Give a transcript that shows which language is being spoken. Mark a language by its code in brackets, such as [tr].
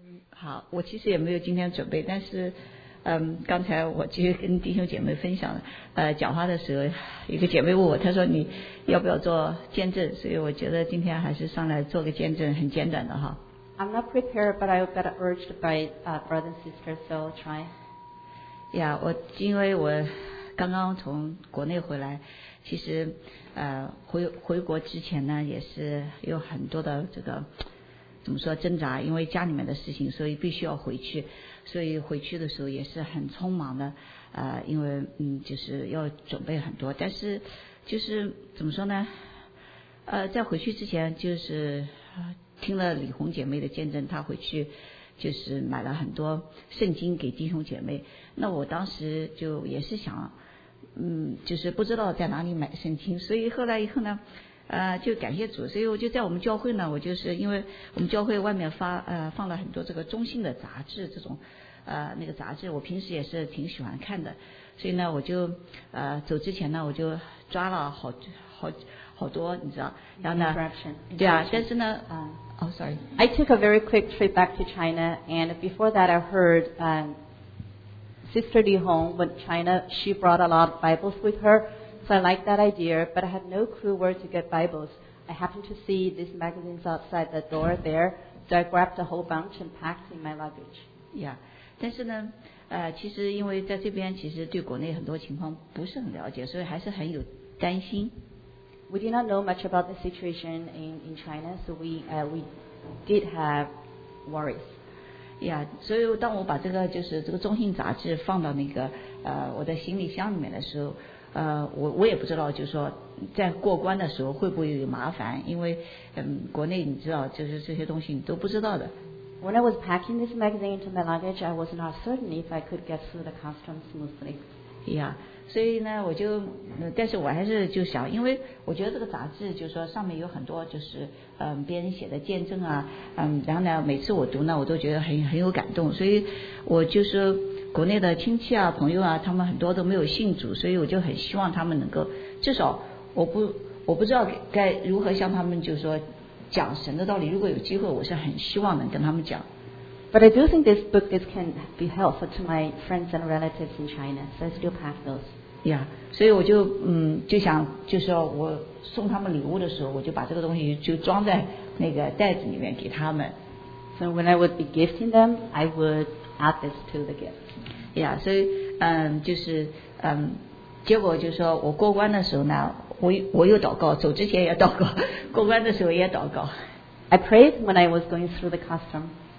[zh] 好，我其实也没有今天准备，但是，刚才我其实跟弟兄姐妹分享讲话的时候，一个姐妹问我，她说你要不要做见证？所以我觉得今天还是上来做个见证，很简短的哈。 [en] I'm not prepared, but I got urged by brother and sister, so I'll try. [zh] Yeah, 我因为我刚刚从国内回来，其实回国之前呢，也是有很多的这个。怎么说挣扎，因为家里面的事情，所以必须要回去，所以回去的时候也是很匆忙的，因为就是要准备很多，但是就是怎么说呢，在回去之前就是听了李红姐妹的见证，她回去就是买了很多圣经给弟兄姐妹，那我当时就也是想就是不知道在哪里买圣经，所以后来以后呢就感谢主，所以我就在我们教会呢，我就是因为我们教会外面放了很多这个中性的杂志，这种那个杂志我平时也是挺喜欢看的，所以呢我就走之前呢我就抓了好多你知道，然后呢对啊，但是呢sorry, [en] I took a very quick trip back to China, and before that I heard Sister Li Hong went China, she brought a lot of Bibles with herSo I like that idea, but I had no clue where to get Bibles. I happened to see these magazines outside the door there, so I grabbed a whole bunch and packed in my luggage. [zh] Yeah, 但是呢，其实因为在这边其实对国内很多情况不是很了解，所以还是很有担心。 [en] We did not know much about the situation in China, so we did have worries. [zh] Yeah, 所以当我把这个就是这个中信杂志放到那个我的行李箱里面的时候。我也不知道，就是说在过关的时候会不会有麻烦，因为国内你知道就是这些东西你都不知道的。 [en] When I was packing this magazine into my luggage, I was not certain if I could get through the customs smoothly. [zh] Yeah, 所以呢我就但是我还是就想，因为我觉得这个杂志就是说上面有很多就是别人写的见证啊，然后呢每次我读呢我都觉得很有感动，所以我就是国内的亲戚啊朋友啊他们很多都没有信主，所以我就很希望他们能够至少我不知道该如何向他们就是说讲神的道理，如果有机会我是很希望能跟他们讲。 [en] But I do think this book this can be helpful to my friends and relatives in China, so I still pass those. [zh] Yeah, 所以我就就想就是说我送他们礼物的时候我就把这个东西就装在那个袋子里面给他们。 [en] So when I would be gifting them, I would add this to the gift. [zh] Yeah, 所以就是结果就是说我过关的时候呢我又祷告，走之前也祷告，过关的时候也祷告。 [en] I prayed when I was going through the custom.